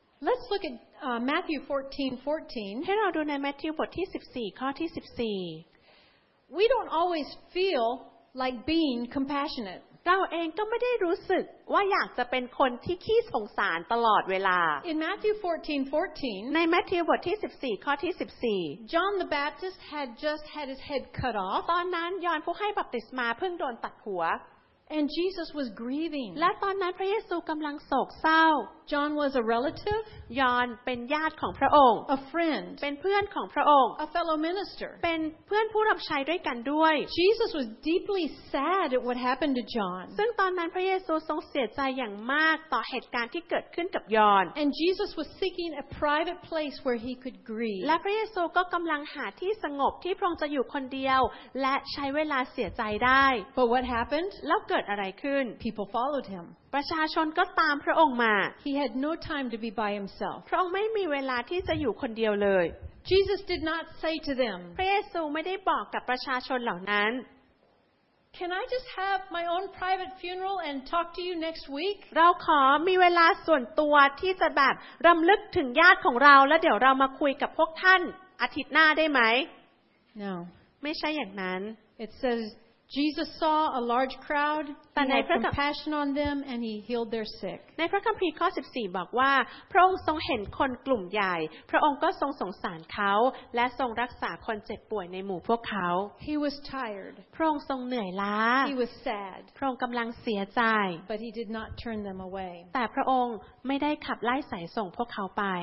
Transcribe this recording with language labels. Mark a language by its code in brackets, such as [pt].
[en] Let's look at Matthew 14:14. [th] ให้เราดูในมัทธิวบทที่14ข้อที่14. [en] We don't always feel like being compassionate. [th] เราเองก็ไม่ได้รู้สึกว่าอยากจะเป็นคนที่ขี้สงสารตลอดเวลา [en] In Matthew 14:14. [th] ในมัทธิวบทที่14ข้อที่14. [en] John the Baptist had just had his head cut off. [th] ตอนนั้นยอห์นผู้ให้บัพติศมาเพิ่งโดนตัดหัว [en] And Jesus was grieving. [th] และตอนนั้นพระเยซูกำลังโศกเศร้า [en] John was a relative. [th] ยอนเป็นญาติของพระองค์ [en] A friend. [th] เป็นเพื่อนของพระองค์ [en] A fellow minister. [th] เป็นเพื่อนผู้รับใช้ด้วยกันด้วย [en] Jesus was deeply sad at what happened to John. [th] ซึ่งตอนนั้นพระเยซูทรงเสียใจอย่างมากต่อเหตุการณ์ที่เกิดขึ้นกับยอน [en] And Jesus was seeking a private place where he could grieve. [th] และพระเยซูก็กำลังหาที่สงบที่พระองค์จะอยู่คนเดียวและใช้เวลาเสียใจได้ [en] But what happened? [th] แล้วเกิดอะไรขึ้น [en] People followed him. [th] ประชาชนก็ตามพระองค์มา [en] He had no time to be by himself. [th] พระองค์ไม่มีเวลาที่จะอยู่คนเดียวเลย [en] Jesus did not say to them. [th] พระเยซูไม่ได้บอกกับประชาชนเหล่านั้น [en] Can I just have my own private funeral and talk to you next week? [th] เราขอมีเวลาส่วนตัวที่จะแบบรำลึกถึงญาติของเราแล้วเดี๋ยวเรามาคุยกับพวกท่านอาทิตย์หน้าได้ไหม [en] No. [th] ไม่ใช่อย่างนั้น [en] It saysJesus saw a large crowd and had compassion on them and he healed their sick. [th] ในพระคัมภีร์ข้อ14บอกว่าพระองค์ทรงเห็นคนกลุ่มใหญ่พระองค์ก็ทรงสงสารเขาและทรงรักษาคนเจ็บป่วยในหมู่พวกเขา [en] He was tired. [th] พระองค์ทรงเหนื่อยล้า [en] He was sad. [th] พระองค์กำลังเสียใจ [en] But he did not turn them away. [th] แต่พระองค์ไม่ได้ขับไล่สายส่งพวกเขาไป